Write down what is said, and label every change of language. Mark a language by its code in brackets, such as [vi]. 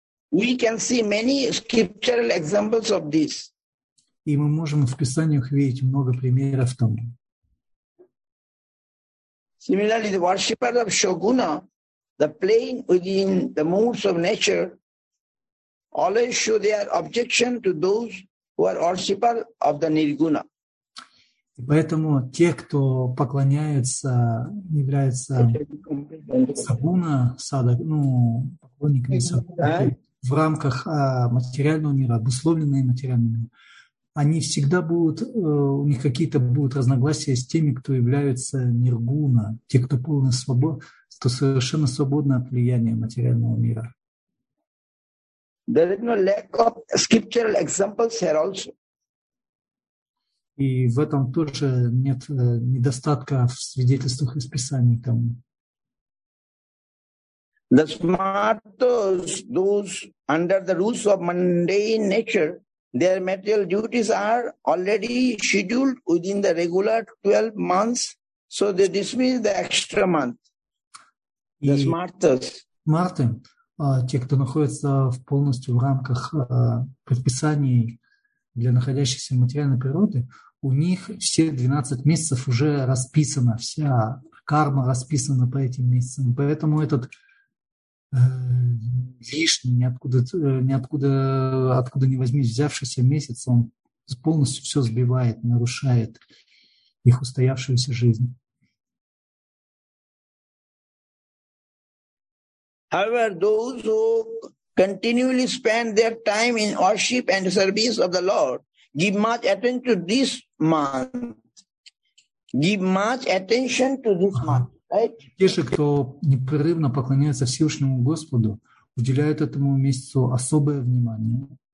[en] We can see many scriptural examples of this. [ru] И мы можем в писаниях видеть много примеров тому. [en] Similarly, the worshippers of Shoguna, the plain within the moods of nature, always show their objection to those who are worshippers of the Nirguna. [ru] И поэтому те, кто поклоняется, является Сагуна, садак, поклонниками Сагуна, в рамках материального мира, обусловленные материальным миром, они всегда будут, у них какие-то будут разногласия с теми, кто является ниргуна, те, кто полный свобод, кто совершенно свободно от влияния материального мира. [en] There is no lack of scriptural examples here also. [ru] И в этом тоже нет недостатка в свидетельствах из Писаний тому. [en] The smartos, those under the rules of mundane nature, their material duties are already scheduled within the regular 12 months, so they dismiss the extra month. The smartos. [ru] Марты, те, кто находится в полностью в рамках предписаний для находящейся материальной природы, у них все 12 месяцев уже расписано, вся карма расписана по этим месяцам, поэтому этот лишний, откуда ни возьмись, взявшийся месяц, он полностью все сбивает, нарушает их устоявшуюся жизнь. [en] However, those who continually spend their time in worship and service of the Lord give much attention to this month. Right? [ru] Те же, кто непрерывно поклоняется Всевышнему Господу, уделяют этому месяцу особое внимание.